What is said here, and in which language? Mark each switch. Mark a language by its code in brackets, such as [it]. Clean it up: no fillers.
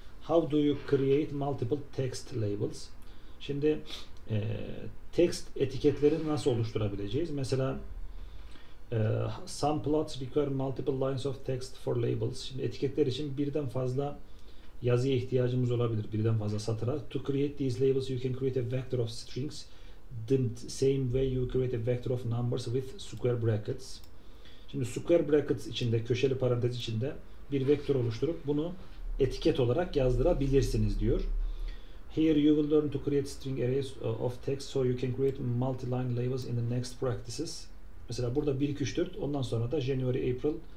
[en] How do you create multiple text labels? [tr] Şimdi text etiketleri nasıl oluşturabileceğiz? [en] Mesela some plots require multiple lines of text for labels. [tr] Şimdi etiketler için birden fazla yazıya ihtiyacımız olabilir. Birden fazla satıra. [en] To create these labels, you can create a vector of strings. The same way you create a vector of numbers with square brackets. [tr] Şimdi square brackets içinde, köşeli parantez içinde bir vektör oluşturup bunu etiket olarak yazdırabilirsiniz diyor. [en] Here you will learn to create string arrays of text so you can create multi-line labels in the next practices. [tr] Mesela burada 1, 2, 3, 4, ondan sonra da January, April,